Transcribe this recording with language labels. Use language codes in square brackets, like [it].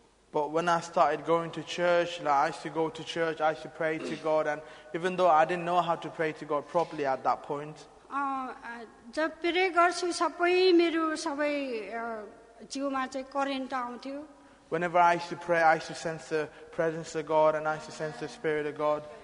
[en] But when I started going to church like I used to go to church I used to pray to God and even though I didn't know how to pray to God properly at that point [ne] job pray गर्छु सबै मेरो सबै जीवमा चाहिँ current आउँथ्यो [en] Whenever I used to pray I used to sense the presence of God and I used to sense the spirit of God